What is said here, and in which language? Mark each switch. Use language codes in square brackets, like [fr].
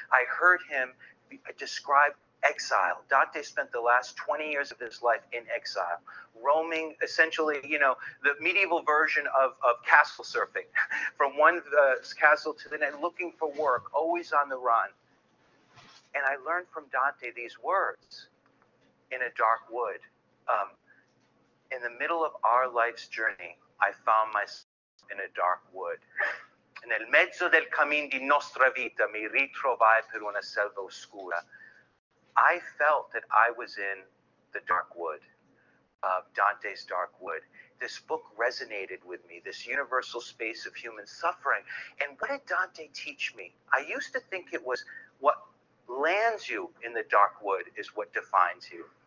[en] I heard him describe exile. Dante spent the last 20 years of his life in exile, roaming essentially, you know, the medieval version of castle surfing from one castle to the next, looking for work, always on the run. And I learned from Dante these words in a dark wood. In the middle of our life's journey, I found myself in a dark wood. [it] Nel mezzo del cammin di nostra vita mi ritrovai per una selva oscura. [en] I felt that I was in the dark wood of Dante's dark wood. This book resonated with me, this universal space of human suffering. And what did Dante teach me? I used to think it was what lands you in the dark wood is what defines you.